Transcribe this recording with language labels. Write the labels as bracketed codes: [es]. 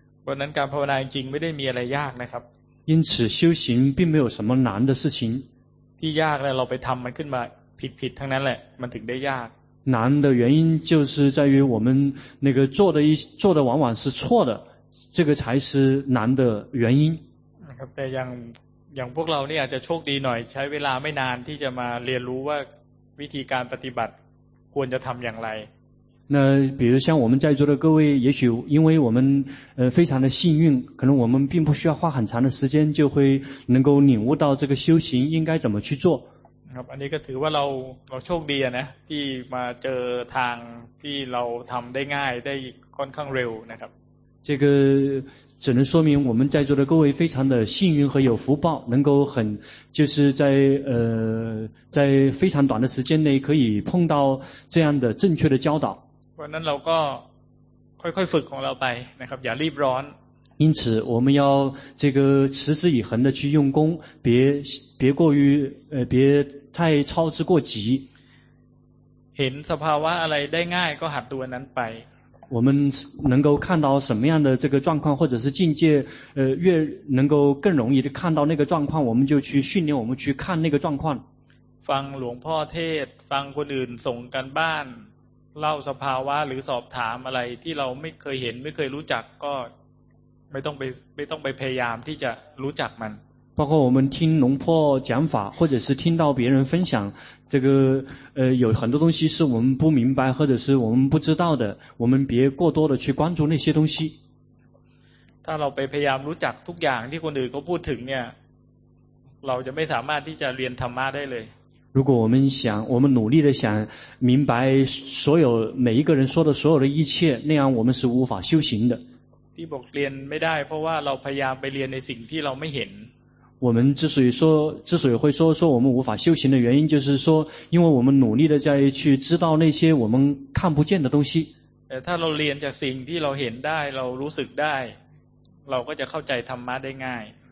[th] เพราะนั้นการภาวนาจริงไม่ได้มีอะไรยากนะครับ [zh] 因此修行并没有什么难的事情 [th] ที่ยากเลยเราไปทำมันขึ้นมาผิดทั้งนั้นแหละมันถึงได้ยาก [zh] 难的原因就是在于我们那个做的往往是错的这个才是难的原因 [th] แต่อย่างพวกเราเนี่ยอาจจะโชคดีหน่อยใช้เวลาไม่นานที่จะมาเรียนรู้ว่าวิธีการปฏิบัติควรจะทำอย่างไร [zh] 那比如像我们在座的各位也许因为我们非常的幸运可能我们并不需要花很长的时间就会能够领悟到这个修行应该怎么去做 [th] ครับอันนี้ก็ถือว่าเราโชคดีนะที่มาเจอทางที่เราทําได้ง่ายได้ค่อนข้างเร็วนะครับ [zh] 这个只能说明我们在座的各位非常的幸运和有福报能够很就是在非常短的时间内可以碰到这样的正确的教导 [th] เพราะนั้นเราก็ค่อยๆฝึกของเราไปนะครับอย่ารีบร้อน [zh] 因此我们要这个持之以恒的去用功别过于别太操之过急 [th] เห็นสภาวะอะไรได้ง่ายก็หัดดูนั้นไป [zh] 我们能够看到什么样的这个状况或者是境界越能够更容易的看到那个状况我们就去训练我们去看那个状况 [th] ฟังหลวงพ่อเทศฟังคนอื่นส่งกันบ้านเล่าสภาวะหรือสอบถามอะไรที่เราไม่เคยเห็นไม่เคยรู้จักก็ไม่ต้องไปพยายามที่จะรู้จักมัน [zh] 包括我们听龙破讲法或者是听到别人分享这个有很多东西是我们不明白或者是我们不知道的我们别过多的去关注那些东西 [th] ถ้าเราไปพยายามรู้จักทุกอย่างที่คนอื่นเขาพูดถึงเนี่ยเราจะไม่สามารถที่จะเรียนธรรมะได้เลย [zh] 如果我们努力的想明白所有每一个人说的所有的一切，那样我们是无法修行的。 [th] ที่บอกเรียนไม่ได้เพราะว่าเราพยายามไปเรียนในสิ่งที่เราไม่เห็น。 [zh] 我们之所以会说我们无法修行的原因，就是说，因为我们努力的在去知道那些我们看不见的东西。 [th] แต่ถ้าเราเรียนจากสิ่งที่เราเห็นได้เรารู้สึกได้เราก็จะเข้าใจธรรมะได้ง่าย